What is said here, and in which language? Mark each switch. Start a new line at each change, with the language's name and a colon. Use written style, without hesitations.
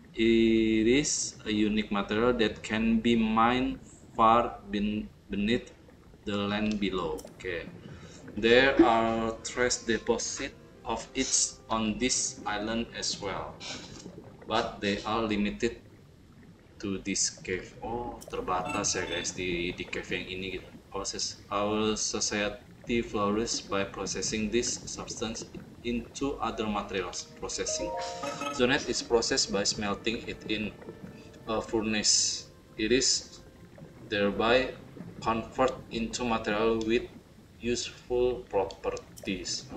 English: It is a unique material that can be mined far beneath the land below. Okay. There are trace deposits of it on this island as well. But they are limited to this cave.
Indonesian: Oh, terbatas ya guys di cave yang ini gitu.
English: Process our society flourishes by processing this substance into other materials. Processing zonite is processed by smelting it in a furnace. It is thereby converted into material with useful properties.